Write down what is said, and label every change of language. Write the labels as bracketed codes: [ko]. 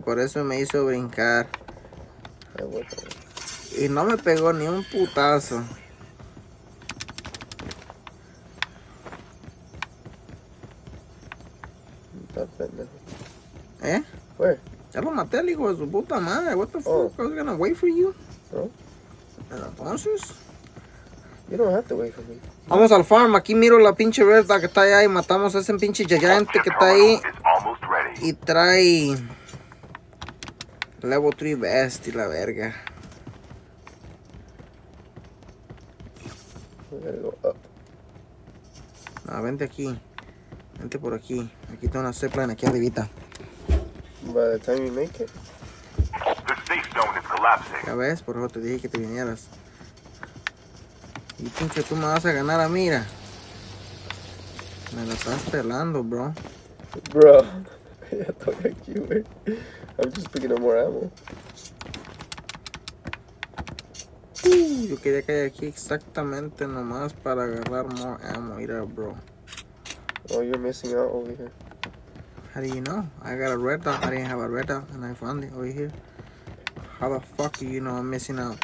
[es] Por eso me hizo brincar. Y no me pegó ni un putazo. Está pendejo. ¿Eh? Güey. Ya lo maté, el hijo de su puta madre. [en] What the fuck? I was gonna wait for you. [es] No. Entonces. [en] You don't have to wait for me. [es] Vamos al farm, aquí miro la pinche verde que está allá y matamos a ese pinche gigante que está ahí. Y trae level 3 best y la verga. [en] Go up. [es] No, vente aquí. Vente por aquí. Aquí está una zipline aquí arribita. [en] By the time you make it. The safe zone is collapsing. [es] Ya ves, por eso te dije que te vinieras. Y pinche, tú me vas a ganar a mira. Me la estás pelando, bro. Bro, ya estoy aquí, wey. [en] I'm just picking up more ammo. [es] Yo quería caer aquí exactamente nomás para agarrar [en] more ammo. [es] Mira, bro. [en] Oh, you're missing out over here. How do you know? I got a red dot. I didn't have a red dot and I found it over here. How the fuck do you know I'm missing out?